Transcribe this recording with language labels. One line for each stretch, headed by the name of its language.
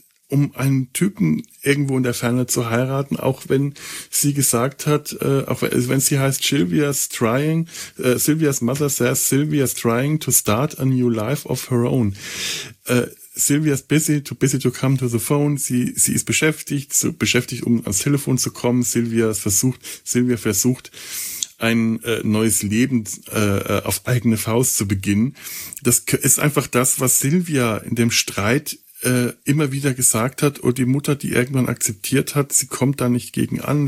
German: um einen Typen irgendwo in der Ferne zu heiraten, auch wenn sie gesagt hat, auch wenn sie heißt
English: Sylvia's mother says Sylvia's trying to start a new life of her own. Sylvia's busy to come to the phone.
German: Sie ist beschäftigt, um ans Telefon zu kommen. Sylvia versucht, ein neues Leben auf eigene Faust zu beginnen. Das ist einfach das, was Sylvia in dem Streit immer wieder gesagt hat, und die Mutter, die irgendwann akzeptiert hat, sie kommt da nicht gegen an.